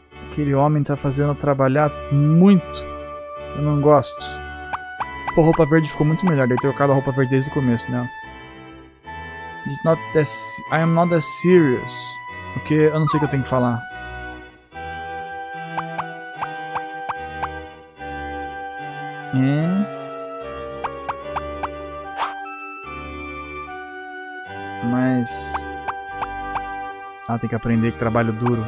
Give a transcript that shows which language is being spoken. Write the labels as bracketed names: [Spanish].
[Portuguese] Aquele homem tá fazendo eu trabalhar muito. Eu não gosto. Pô, roupa verde ficou muito melhor. Deve ter trocado a roupa verde desde o começo, né? [English] It's not that... I am not that serious. [Portuguese] Porque eu não sei o que eu tenho que falar. Mas... ah, tem que aprender que trabalho duro.